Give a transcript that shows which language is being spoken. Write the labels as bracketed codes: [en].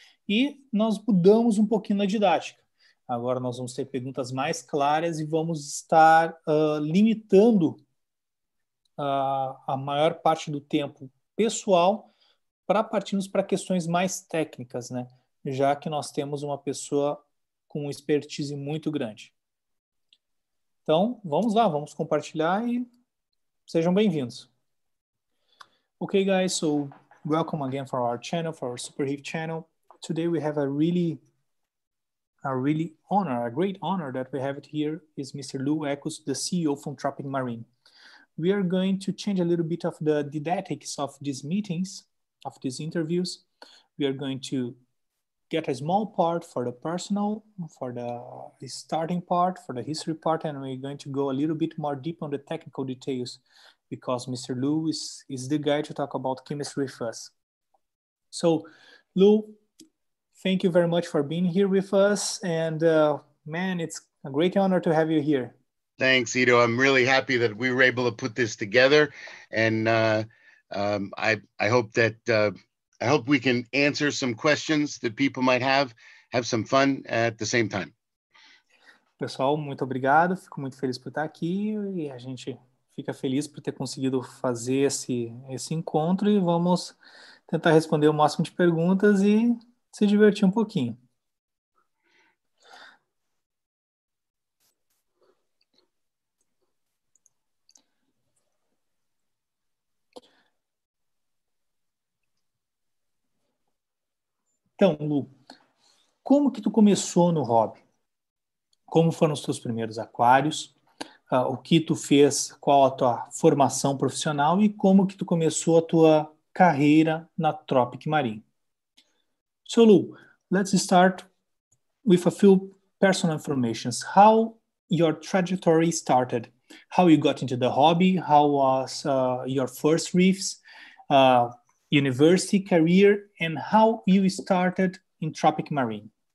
[pt] E nós mudamos um pouquinho na didática. Agora nós vamos ter perguntas mais claras e vamos estar limitando a maior parte do tempo pessoal para partirmos para questões mais técnicas, né? Já que nós temos uma pessoa com expertise muito grande. Então, vamos lá, vamos compartilhar e sejam bem-vindos. [en] Okay, guys, so welcome again for our channel, for our SuperReef channel. Today we have a really honor, a great honor that we have it here is Mr. Lou Ekus, the CEO from Tropic Marin. We are going to change a little bit of the didactics of these meetings, of these interviews. We are going to get a small part for the personal, for the starting part, for the history part, and we're going to go a little bit more deep on the technical details because Mr. Lou is the guy to talk about chemistry with us. So, Lou, thank you very much for being here with us. And man, it's a great honor to have you here. Thanks, Ido. I'm really happy that we were able to put this together. And I hope that I hope we can answer some questions that people might have some fun at the same time. [pt] Pessoal, muito obrigado. Fico muito feliz por estar aqui e a gente fica feliz por ter conseguido fazer esse encontro e vamos tentar responder o máximo de perguntas e se divertir um pouquinho. Então, Lu, como que tu começou no hobby? Como foram os teus primeiros aquários? O que tu fez, qual a tua formação profissional e como que tu começou a tua carreira na Tropic Marin? [en] So, Lu, let's start with a few personal informations. How your trajectory started? How you got into the hobby? How was your first reefs? University career, and how you started in Tropic Marin.